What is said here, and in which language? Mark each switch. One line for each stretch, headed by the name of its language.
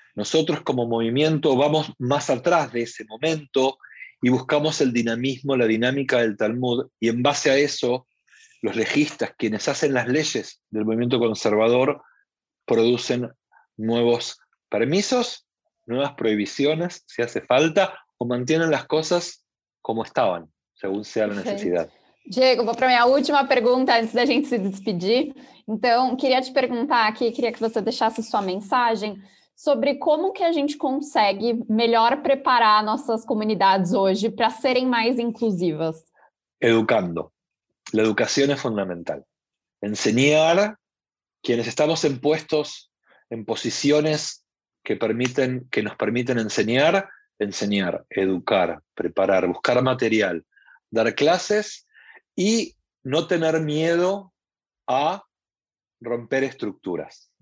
Spanish: Nosotros como movimiento vamos más atrás de ese momento y buscamos el dinamismo, la dinámica del Talmud, y en base a eso, los legistas, quienes hacen las leyes del movimiento conservador, producen nuevos permisos, nuevas prohibiciones, si hace falta, o mantienen las cosas como estaban, según sea la necesidad.
Portuguese: Diego, vou para minha última pergunta antes da gente se despedir. Então, queria te perguntar aqui, queria que você deixasse sua mensagem sobre como que a gente consegue melhor preparar nossas comunidades hoje para serem mais inclusivas. Educando. A educação é fundamental.
Spanish: Enseñar quienes estamos en puestos, en posiciones que permiten, que nos permiten enseñar, enseñar, educar, preparar, buscar material, dar clases y no tener miedo a romper estructuras.